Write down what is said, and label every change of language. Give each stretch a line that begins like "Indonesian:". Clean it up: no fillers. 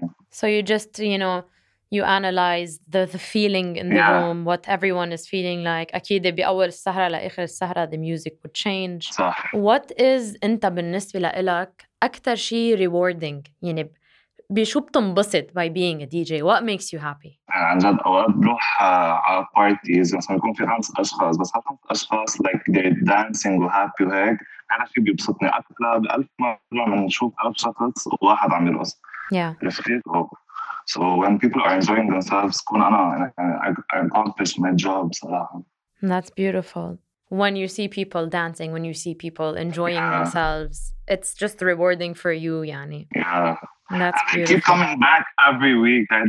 English: So you just, you know, you analyze the feeling in the room, what everyone is feeling like.
Arabic: أكيد بأول السهرة لآخر السهرة
English: the music would change.
Arabic: صح.
English: What is
Arabic: أنت بالنسبة لإلك أكثر شيء rewarding؟ يعني بشو بتنبسط
English: by being a DJ? What makes you happy?
Arabic: عن جد أوقات بروح على parties مثلا يكون في 5 أشخاص بس 5 أشخاص
English: like they're dancing
Arabic: وhappy وهيك أنا شيء بيبسطني أكثر بألف مرة من نشوف 1000 شخص وواحد عم يرقص.
English: Yeah. So when people are enjoying themselves
Arabic: كون أنا
English: I accomplished my job صراحة. That's beautiful. When you see people dancing, when you see people enjoying themselves, it's just rewarding for you, يعني. Yeah. That's and beautiful. I keep coming back every week.